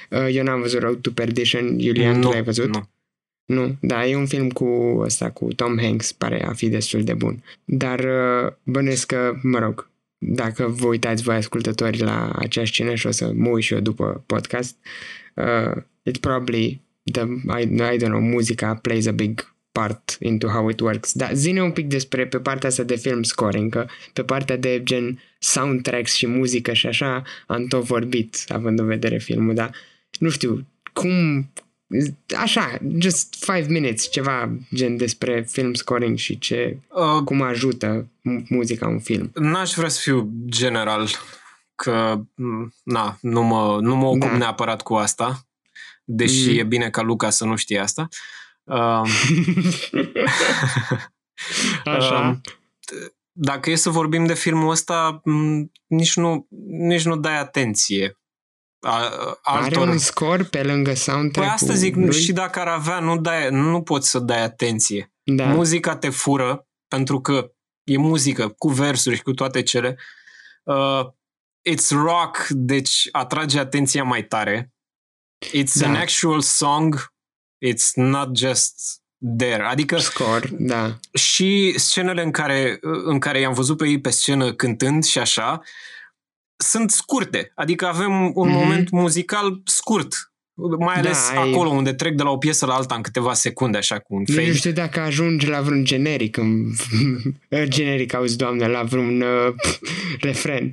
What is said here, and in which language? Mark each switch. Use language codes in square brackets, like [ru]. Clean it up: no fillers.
[ro] Eu n-am văzut Road to Perdition, Iulian, tu l-ai văzut? Nu, da, e un film cu ăsta, cu Tom Hanks, pare a fi destul de bun. Dar bănesc că, mă rog, dacă vă uitați voi ascultători la acea scenă și o să mă uit și eu după podcast, [en] it probably... I don't know, [ro] muzica [en] plays a big part into how it works. [ro] Dar zi-ne un pic despre pe partea asta de film scoring, că pe partea de gen soundtracks și muzică și așa am tot vorbit, având în vedere filmul, dar nu știu, cum... Așa, [en] just 5 minutes, [ro] ceva gen despre film scoring și ce cum ajută muzica un film. N-aș vrea să fiu general, că nu mă ocup neapărat cu asta. Deși e bine ca Luca să nu știe asta. Așa. Dacă e să vorbim de filmul ăsta, nici nu dai atenție. Are un scor pe lângă soundtrack-ul. Păi asta zic, lui? Și dacă ar avea, nu poți să dai atenție. Da. Muzica te fură, pentru că e muzică cu versuri și cu toate cele. [en] It's rock, [ro] deci atrage atenția mai tare. [en] It's an actual song, it's not just there. [ro] Adică score, da. Și scenele în care i-am văzut pe ei pe scenă cântând și așa, sunt scurte. Adică avem un moment muzical scurt, mai ales acolo unde trec de la o piesă la alta în câteva secunde, așa cu un fade. Nu știu dacă ajungi la vreun generic, auzi, Doamne, la vreun refren.